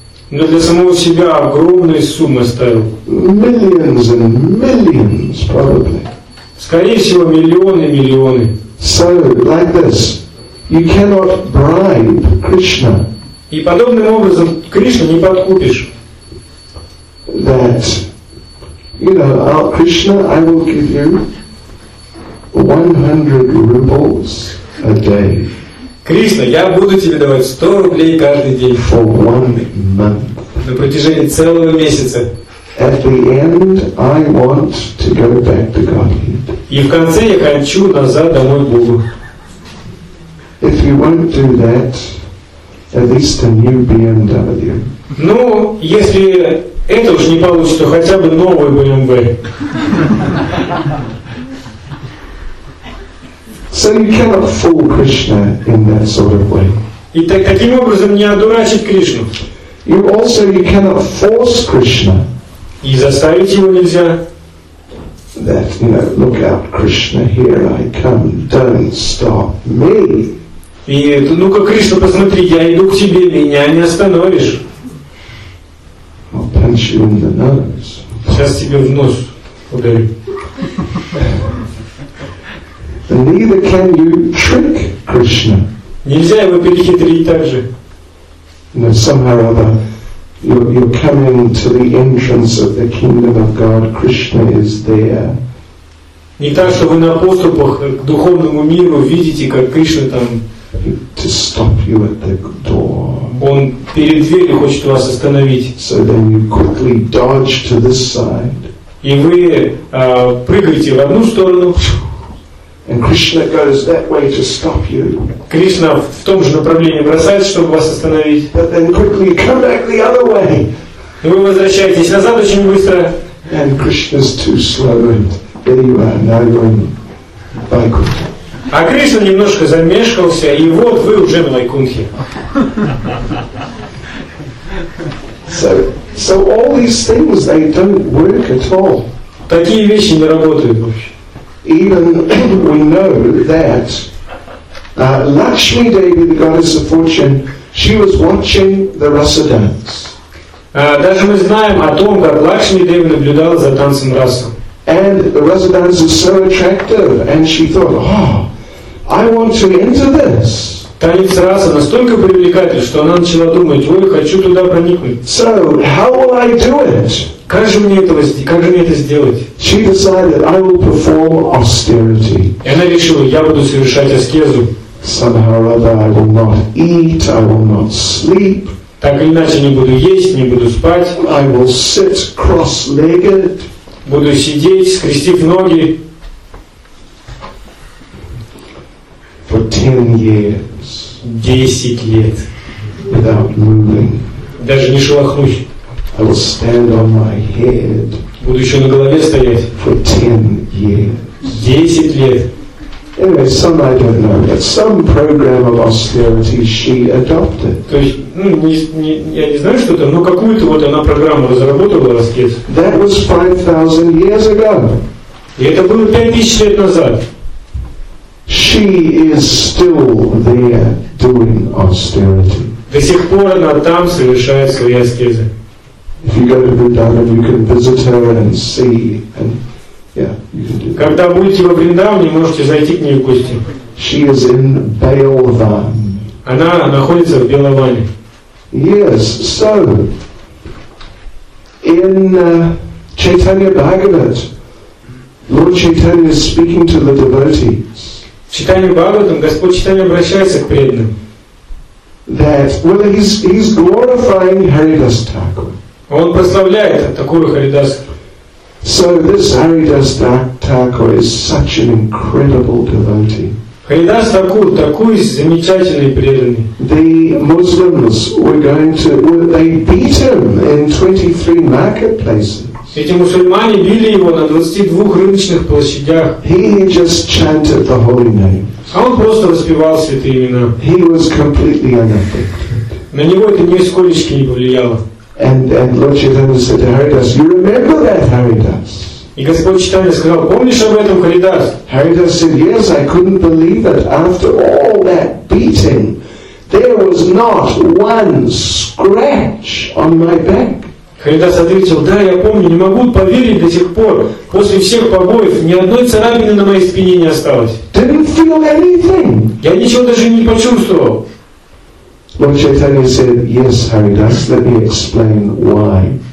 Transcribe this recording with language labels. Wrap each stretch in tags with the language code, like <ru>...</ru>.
<ru>Но для самого себя огромные суммы оставил.</ru> <en>Millions and millions, probably.</en> <ru>Скорее всего, миллионы и миллионы.</ru> <en>So, like this. You cannot bribe Krishna.</en> <ru>И подобным образом Кришну не подкупишь.</ru> <en>That, you know, oh, Krishna, I will give you 100 rubles a day.</en> <ru>Кришна, я буду тебе давать 100 рублей каждый день.</ru> <en>For 1 month.</en> <ru>На протяжении целого месяца.</ru> <en>At the end, I want to go back to Godhead.</en> <ru>И в конце я хочу назад домой к Богу.</ru> <en>If you won't do that, at least a new BMW.</en> <ru>Ну, если это уж не получится, то хотя бы новый BMW.</ru> <en>So you cannot fool Krishna in that sort of way.</en> <ru>И таким образом не одурачить Кришну.</ru> <en>You cannot force Krishna.</en> <ru>И заставить его нельзя.</ru> <en>That, you know, look out, Krishna, here I come, don't stop me.</en> <ru>И ну-ка, Кришна, посмотри, я иду к тебе, меня не остановишь.</ru> <en>I'll punch you in the nose.</en> <ru>Сейчас тебе в нос ударю.</ru> <en>And neither can you trick Krishna.</en> <ru>Нельзя его перехитрить так же.</ru> <en>You know, somehow or other, you're coming to the entrance of the kingdom of God, Krishna is there.</en> <ru>Не так, что вы на поступах к духовному миру видите, как Кришна там.</ru> <en>To stop you at the door.</en> <ru>Он перед дверью хочет вас остановить.</ru> <en>So then you quickly dodge to this side.</en> <ru>И вы прыгаете в одну сторону.</ru> <en>And Krishna goes that way to stop you.</en> <ru>Кришна в том же направлении бросается, чтобы вас остановить.</ru> <en>But then quickly come back the other way.</en> <ru>И вы возвращаетесь назад очень быстро.</ru> <en>And Krishna's too slow, and there you are now going by quickly.</en> <ru>А Кришна немножко замешкался, и вот вы уже на Вайкунхе.</ru> <en>So all these things, they don't work at all.</en> <ru>Такие вещи не работают вообще.</ru> <en>Even we know that Lakshmi Devi, the goddess of fortune, she was watching the Rasa dance.</en> <ru>Даже мы знаем о том, как Лакшми Деви наблюдала за танцем Раса.</ru> <en>And the residence is so attractive, and she thought, oh, I want to enter this.</en> <ru>Танец раса настолько привлекательный, что она начала думать, ой, хочу туда проникнуть.</ru> <en>So, how will I do it?</en> <ru>Как же мне это сделать?</ru> <en>She decided, I will perform austerity.</en> <ru>И она решила, я буду совершать аскезу.</ru> <en>Somehow or other, I will not eat, I will not sleep.</en> <ru>Так или иначе, не буду есть, не буду спать.</ru> <en>I will sit cross-legged.</en> <ru>Буду сидеть, скрестив ноги.</ru> <en>For 10 years.</en> <ru>10 лет.</ru> <en>Without moving.</en> <ru>Даже не шелохнусь.</ru> <en>I will stand on my head.</en> <ru>Буду еще на голове стоять.</ru> <en>For 10 years.</en> <ru>10 лет.</ru> <en>Anyway, some I don't know, but some program of austerity she adopted.</en> <ru>То есть, ну, я не знаю, что там, но какую-то вот она программу разработала, аскез.</ru> <en>That was 5,000 years ago.</en> <ru>И это было 5,000 лет назад.</ru> <en>She is still there doing austerity.</en> <ru>До сих пор она там совершает свои аскезы.</ru> <en>If you go to Vrindavan, you can visit her and see and... Yeah,</en> <ru>когда будете во Вриндаване, можете зайти к ней в гости.</ru> <en>She is in Belavan.</en> <ru>Она находится в Белаване.</ru> <en>Yes, so in Chaitanya Bhagavat, Lord Chaitanya is speaking to the devotees.</en> <ru>В Чайтанье Бхагаватам Господь Чайтанья обращается к преданным.</ru> <en>That well, he's glorifying Haridas Thakur.</en> <ru>Он прославляет Такуру Харидас.</ru> <en>So this Haridas Thakur is such an incredible devotee.</en> <ru>Haridas Thakur, такой замечательный преданный.</ru> <en>The Muslims were going to, well, they beat him in 23 marketplaces.</en> <ru>Эти мусульмане били его на 22 рыночных площадях.</ru> <en>He just chanted the holy name.</en> <ru>А он просто воспевал святые имена.</ru> <en>He was completely unaffected.</en> <ru>На него это нисколечко не повлияло.</ru> <en>And Lord Chaitanya said to Haridas, you remember that, Haridas?</en> <ru>И Господь Чайтанья сказал, помнишь об этом, Харидас?</ru> <en>Haridas said, yes, I couldn't believe it. After all that beating, there was not one scratch on my back.</en> <ru>Харидас ответил, да, я помню, не могу поверить до сих пор. После всех побоев ни одной царапины на моей спине не осталось.</ru> <en>Didn't feel anything.</en> <ru>Я ничего даже не почувствовал.</ru> <en>Lord Chaitanya said, yes, Haridas, let me explain why.</en>